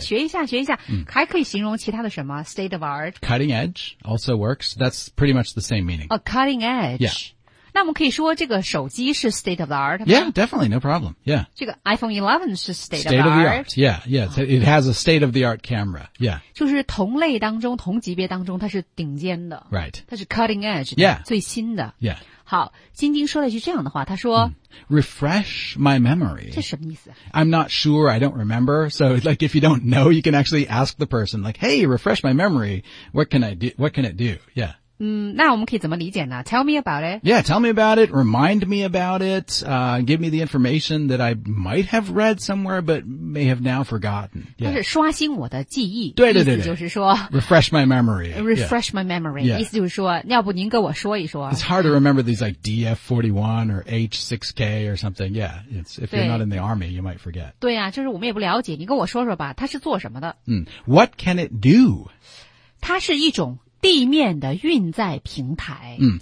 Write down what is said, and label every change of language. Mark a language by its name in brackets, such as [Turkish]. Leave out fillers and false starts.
[Chinese] 学一下, 还可以形容其他的什么, state of art. [English] Cutting edge also works. That's pretty much the same meaning. A cutting edge. Yeah. [Chinese] 那我们可以说这个手机是 state of the art? [English] Yeah, definitely, no problem. Yeah. [Chinese] 这个iPhone 11是 state of the art? [English] State of the art, yeah, yeah. It has a state of the art camera, yeah. [Chinese] 就是同类当中, 同级别当中, 它是顶尖的, [English] right. [Chinese] 它是 cutting edge, [English] yeah. [Chinese] 最新的, [English] yeah. [Chinese] 好, 金丁说了一句这样的话, 他说, [English] refresh my memory. [Chinese] 这什么意思? [English] I'm not sure, I don't remember. So, like, if you don't know, you can actually ask the person, like, hey, refresh my memory, what can it do? Yeah. [Chinese] 那我们可以怎么理解呢? [English] Tell me about it. Yeah, tell me about it. Remind me about it. Give me the information that I might have read somewhere but may have now forgotten. Yeah. [Chinese] 它是刷新我的记忆, 对对对对。意思就是说, refresh my memory. [English] Refresh my memory. Yeah. [Chinese] 意思就是说, 要不您跟我说一说。 [English] It's hard to remember these like DF-41 or H-6K or something. Yeah, it's, if you're not in the army, you might forget. [Chinese] 对啊, 就是我们也不了解, 你跟我说说吧, 它是做什么的? [English] What can it do? [Chinese] 它是一种 地面的运载平台。